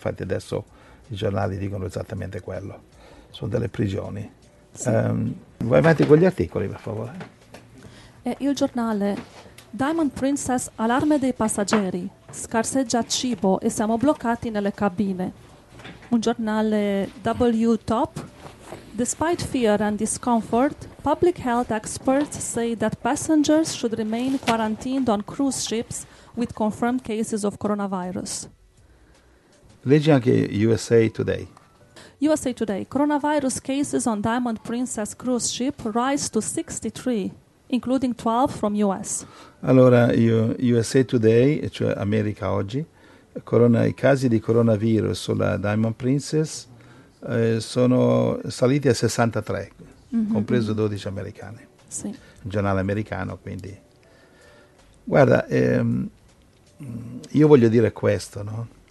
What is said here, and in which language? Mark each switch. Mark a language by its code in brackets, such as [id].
[it] Infatti adesso i giornali dicono esattamente quello. Sono delle prigioni. Sì. Vai avanti con gli articoli, per favore. Il giornale. Diamond Princess, allarme dei passeggeri. Scarseggia cibo e siamo bloccati nelle cabine. Un giornale W Top. [en] Despite fear and discomfort, public health experts say that passengers should remain quarantined on cruise ships with confirmed cases of coronavirus. [it] Leggi anche USA Today. USA Today. [en] Coronavirus cases on Diamond Princess cruise ship rise to 63, including 12 from US. [it] Allora, USA Today, cioè America Oggi, i casi di coronavirus sulla Diamond Princess sono saliti a 63, compreso 12 americani. Sì. Un giornale americano, quindi. Guarda, io voglio dire questo, no?